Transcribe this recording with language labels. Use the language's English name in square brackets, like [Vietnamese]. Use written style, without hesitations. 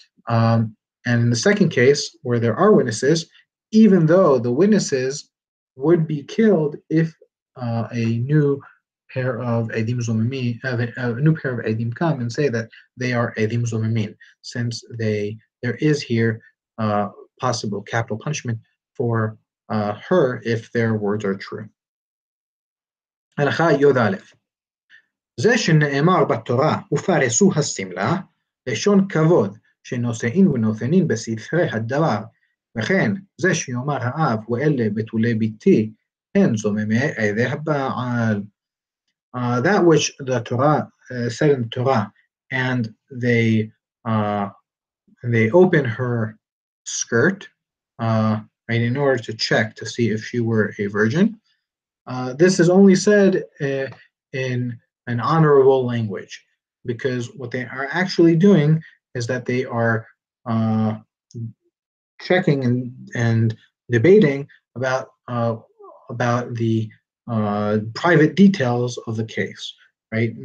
[English] And in the second case, where there are witnesses, even though the witnesses would be killed if a new pair of edim come and say that they are edim zomimin, since there is here possible capital punishment for her if their words are true. [Hebrew] הלכה יוד א', זה שנאמר בתורה ופרסו הסמלה, לשון כבוד שנושאים ונותנים בספרי הדבר, וכן זה שיאמר האב ואלה בתולי ביתי, הן זוממי עדי הבעל. [English] That which the Torah said in the Torah, and they open her skirt right, in order to check to see if she were a virgin. This is only said in an honorable language, because what they are actually doing is that they are checking and debating about the private details of the case, right?